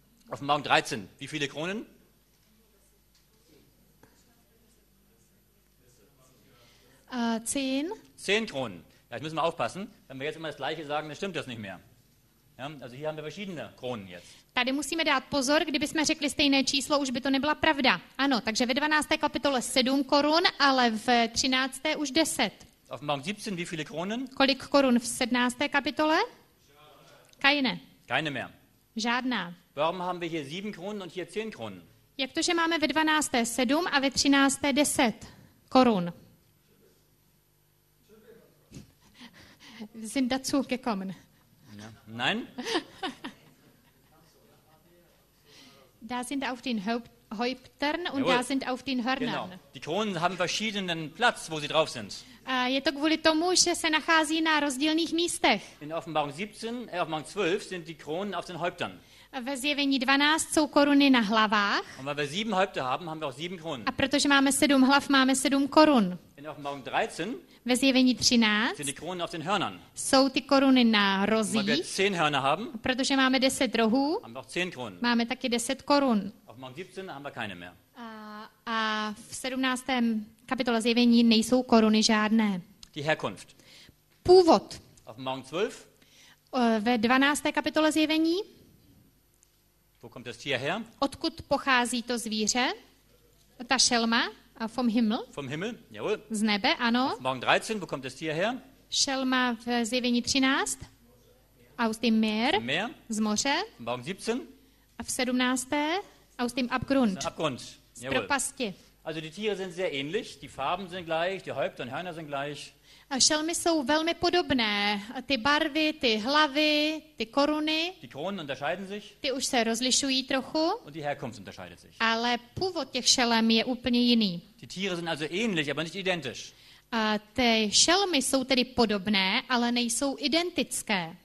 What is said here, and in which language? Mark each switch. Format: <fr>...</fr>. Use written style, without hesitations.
<de>Offenbarung 13. Wie viele Kronen? 10. 10 Kronen. Ja, jetzt müssen wir aufpassen. Wenn wir jetzt immer das Gleiche sagen, dann stimmt das nicht mehr. Ja, also hier haben wir verschiedene Kronen jetzt.</de> <cs>Tady musíme dát pozor, kdyby jsme řekli stejné číslo, už by to nebyla pravda. Ano, takže ve 12. kapitole 7 korun, ale v 13. už 10.</cs> <de>Offenbarung 17, wie viele Kronen?</de> <cs>Kolik korun v 17. kapitole?</cs> <de>Keine. Keine mehr.</de> <cs>Žádná.</cs> <de>Warum haben wir hier 7 Kronen und hier 10 Kronen?</de> <cs>Jak to, že máme ve 12. 7 a ve 13. 10 korun?</cs> <de>Sind dazu gekommen. Ja. Nein. Da sind auf den Häuptern und da sind auf den Hörnern. Genau. Die Kronen haben verschiedenen Platz, wo sie drauf sind.</de> <cs>Je to kvůli tomu, že se nachází na rozdílných místech.</cs> <de>In Offenbarung 17, Offenbarung 12 sind die Kronen auf den Häuptern.</de> <cs>Ve zjevení 12 jsou koruny na hlavách.</cs> <de>Und weil wir 7 Häupter haben, haben wir auch 7 Kronen.</de> <cs>A protože máme 7 hlav, máme 7 korun.</cs> <de>In Offenbarung 13,</de> <cs>ve zjevení 13</cs> <de>sind die Kronen auf den Hörnern.</de> <cs>Jsou ty koruny na rozích.</cs> <de>Weil wir 10 Hörner haben,</de> <cs>protože máme 10 rohů,</cs> <de>haben wir auch 10 Kronen.</de> <cs>Máme taky 10 korun.</cs> <de>Offenbarung 17 haben wir keine mehr.</de> <cs>A v 17. kapitole zjevení nejsou koruny žádné.</cs> <de>Die Herkunft.</de> <cs>Původ.</cs> <de>Offenbarung 12.</de> <cs>Ve 12. kapitole zjevení.</cs> <de>Wo kommt das Tier her?</de> <cs>Odkud pochází to zvíře? Ta šelma?</cs> <de>Vom Himmel? Vom Himmel? Jawohl.</de> <cs>Z nebe, ano.</cs> <de>Offenbarung 13, wo kommt das Tier her?</de> <cs>Šelma v zjevení 13.</cs> <de>Aus dem Meer. Vom Meer.</de> <cs>Z moře.</cs> <de>Offenbarung 17.</de> <cs>A v 17.</cs> <de>aus dem Abgrund.</de> <cs>Z Abgrund. Jawohl. Z propasti.</cs> <de>Also die Tiere sind sehr ähnlich, die Farben sind gleich, die Häupter und Hörner sind gleich.</de> <cs>A šelmy jsou velmi podobné. Ty barvy, ty hlavy, ty koruny.</cs> <de>Die Kronen unterscheiden sich.</de> <cs>Ty už se rozlišují trochu.</cs> <de>Und die Herkunft unterscheidet sich.</de> <cs>Ale původ těch šelem je úplně jiný.</cs> <de>Die Tiere sind also ähnlich, aber nicht identisch.</de> <cs>A ty šelmy jsou tedy podobné, ale nejsou identické.</cs>